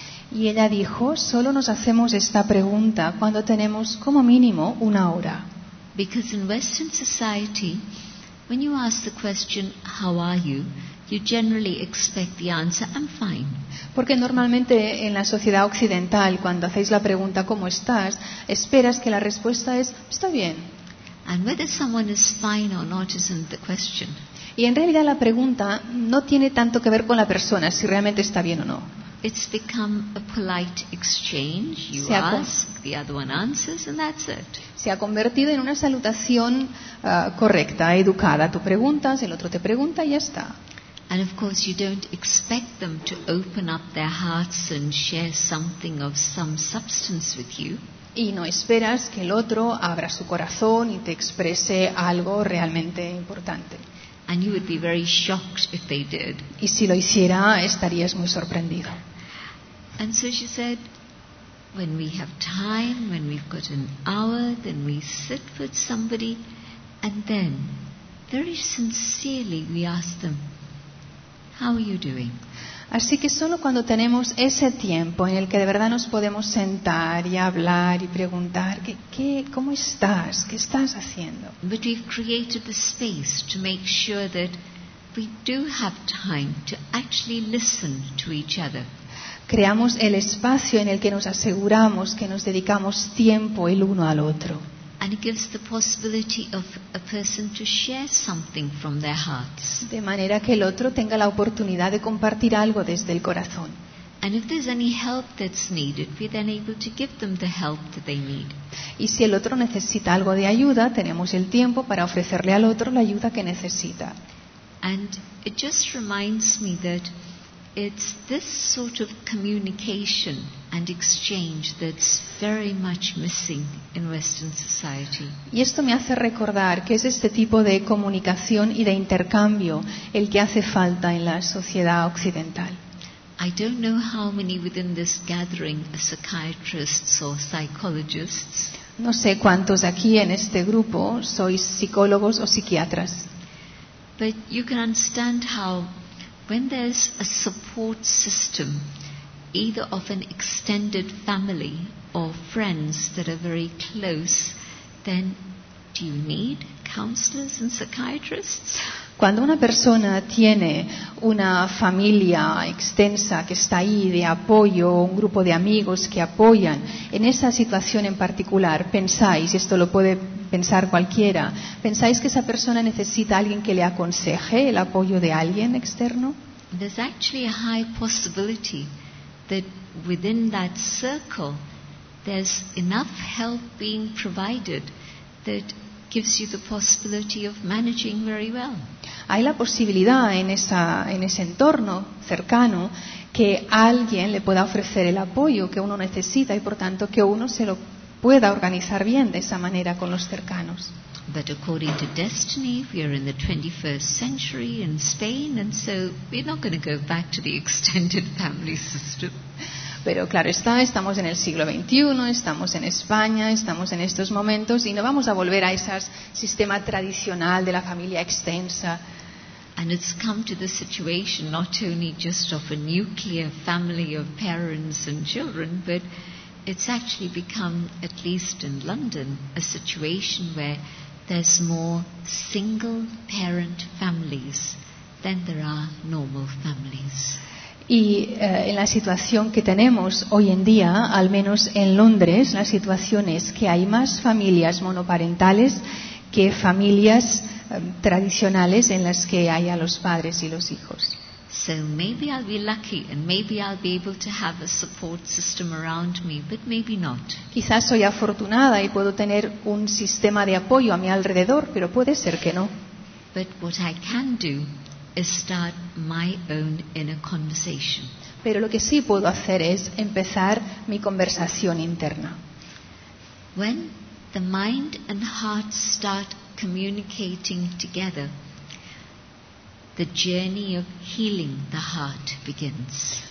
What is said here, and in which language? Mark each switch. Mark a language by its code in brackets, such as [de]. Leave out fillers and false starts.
[es] Y ella dijo, solo nos hacemos esta pregunta cuando tenemos como mínimo una hora. [en] Because in Western society, when you ask the question, how are you? You generally expect the answer, I'm fine. [es] Porque normalmente en la sociedad occidental, cuando hacéis la pregunta, ¿cómo estás?, esperas que la respuesta es, estoy bien. [en] And whether someone is fine or not isn't the question. [es] Y en realidad la pregunta no tiene tanto que ver con la persona, si realmente está bien o no. [en] It's become a polite exchange. You ask, the other one answers, and that's it. [es] Se ha convertido en una salutación correcta, educada. Tú preguntas, el otro te pregunta y ya está. [en] And of course, you don't expect them to open up their hearts and share something of some substance with you. [es] Y no esperas que el otro abra su corazón y te exprese algo realmente importante. [en] And you would be very shocked if they did. [es] Y si lo hiciera, estarías muy sorprendido. [en] And so she said, when we have time, when we've got an hour, then we sit with somebody, and then, very sincerely, we ask them, how are you doing? [es] Así que solo cuando tenemos ese tiempo en el que de verdad nos podemos sentar y hablar y preguntar ¿qué, cómo estás? ¿Qué estás haciendo? [en] But we've created the space to make sure that we do have time to actually listen to each other. [es] Creamos el espacio en el que nos aseguramos que nos dedicamos tiempo el uno al otro. [en] And it gives the possibility of a person to share something from their hearts. [es] De manera que el otro tenga la oportunidad de compartir algo desde el corazón. [en] And if there's any help that's needed, we're then able to give them the help that they need. [es] Y si el otro necesita algo de ayuda, tenemos el tiempo para ofrecerle al otro la ayuda que necesita. [en] And it just reminds me that it's this sort of communication and exchange that's very much missing in Western society. [es] Y esto me hace recordar que es este tipo de comunicación y de intercambio el que hace falta en la sociedad occidental. [en] I don't know how many within this gathering are psychiatrists or psychologists. [es] No sé cuántos aquí en este grupo sois psicólogos o psiquiatras. [en] But you can understand how when there's a support system, either of an extended family or friends that are very close, then do you need counselors and psychiatrists? [es] Cuando una persona tiene una familia extensa que está ahí de apoyo, un grupo de amigos que apoyan, en esa situación en particular, pensáis, y esto lo puede pensar cualquiera, ¿pensáis que esa persona necesita alguien que le aconseje, el apoyo de alguien externo? [en] There's actually a high possibility that within that circle there's enough help being provided that gives you the possibility of managing very well. [es] Hay la posibilidad en ese entorno cercano que alguien le pueda ofrecer el apoyo que uno necesita y por tanto que uno se lo pueda organizar bien de esa manera con los cercanos. [en] But according to destiny, we are in the 21st century in Spain, and so we're not going to go back to the extended family system. [es] Pero claro está, estamos en el siglo XXI, estamos en España, estamos en estos momentos, y no vamos a volver a ese sistema tradicional de la familia extensa. [en] And it's come to the situation not only just of a nuclear family of parents and children, but it's actually become, at least in London, a situation where there's more single parent families than there are normal families. [es] Y en la situación que tenemos hoy en día, al menos en Londres, la situación es que hay más familias monoparentales que familias tradicionales en las que hay a los padres y los hijos. [en] So maybe I'll be lucky and maybe I'll be able to have a support system around me, but maybe not. [es] Quizás soy afortunada y puedo tener un sistema de apoyo a mi alrededor, pero puede ser que no. [en] But what I can do is start my own inner conversation. [es] Pero lo que sí puedo hacer es empezar mi conversación interna. [en] When the mind and heart start communicating together, the journey of healing the heart begins.